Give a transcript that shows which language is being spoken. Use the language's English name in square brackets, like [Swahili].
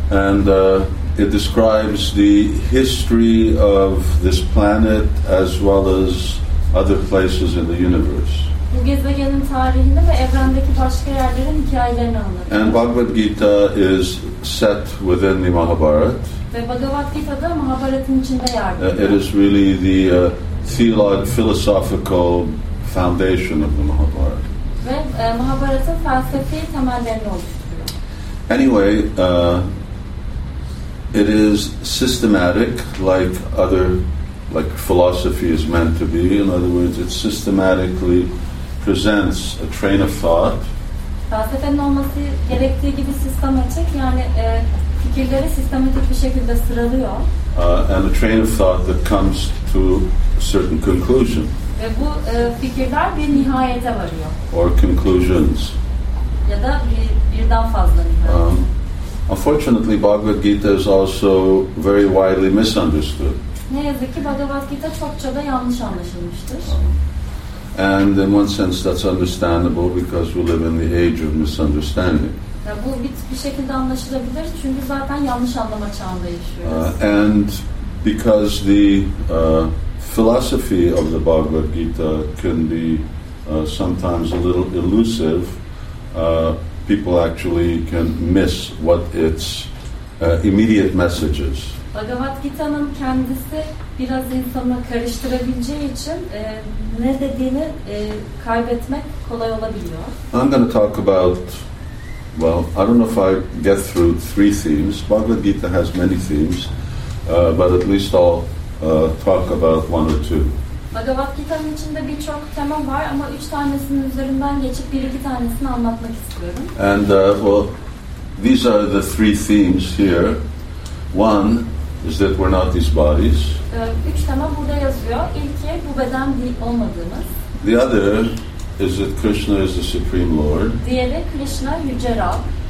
[English] And it describes the history of this planet as well as other places in the universe. [Turkish] Bu gezegenin tarihinde ve evrendeki başka yerlerin hikayelerini anlatıyor. [English] And Bhagavad Gita is set within the Mahabharata. [Turkish] Ve Bhagavad Gita da Mahabharat'ın içinde yer alıyor. [English] It is really the philosophical foundation of the Mahabharata. [Turkish] ve Mahabharat'ın felsefi temellerini oluşturuyor. [English] Anyway, it is systematic, like other, like philosophy is meant to be. In other words, it systematically presents a train of thought. [Turkish] Felsefenin olması gerektiği gibi sistematik, yani fikirleri sistematik bir şekilde sıralıyor. [English] And a train of thought that comes to a certain conclusion. [Turkish] Ve bu fikirler bir nihayete varıyor. [English] Or conclusions. [Turkish] Ya da birden fazla nihayet. [English] Unfortunately, Bhagavad Gita is also very widely misunderstood. [Turkish] Ne yazık ki Bhagavad Gita çokça da yanlış anlaşılmıştır. [English] And in one sense, that's understandable because we live in the age of misunderstanding. [Turkish] Ya bu bir şekilde anlaşılabilir çünkü zaten yanlış anlama çağında yaşıyoruz. [English] And because the philosophy of the Bhagavad Gita can be sometimes a little elusive, people actually can miss what its immediate message is. [Turkish] Bhagavad Gita'nın kendisi biraz insanı karıştırabileceği için ne dediğini kaybetmek kolay olabiliyor. [English] I'm going to talk about, well, I don't know if I get through three themes. Bhagavad Gita has many themes, but at least I'll talk about one or two. [Turkish] Bhagavad Gita'nın içinde birçok tema var ama üç tanesinin üzerinden geçip bir iki tanesini anlatmak istiyorum. [English] And well, these are the three themes here. One is that we're not these bodies. [Turkish] Üç tema burada yazıyor. İlki bu beden değil olmadığımız. [English] The other is that Krishna is the Supreme Lord. [Turkish] Diğeri Krishna yüce Rab.